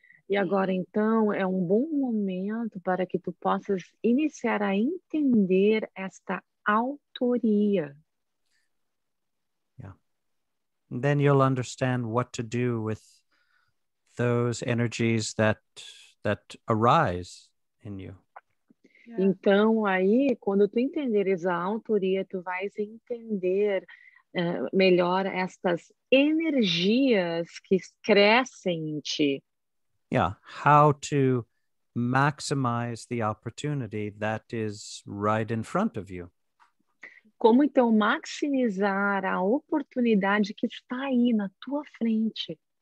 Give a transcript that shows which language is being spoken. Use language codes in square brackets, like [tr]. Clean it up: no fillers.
[pt] E agora, então, é um bom momento para que tu possas iniciar a entender esta autoria. [en] And then you'll understand what to do with those energies that arise in you. Yeah. [pt] Então aí, quando tu entenderes a autoria, tu vais entender melhor estas energias que crescem em ti. [en] Yeah, how to maximize the opportunity that is right in front of you. [pt] Como, então, maximizar a oportunidade que está aí na tua frente?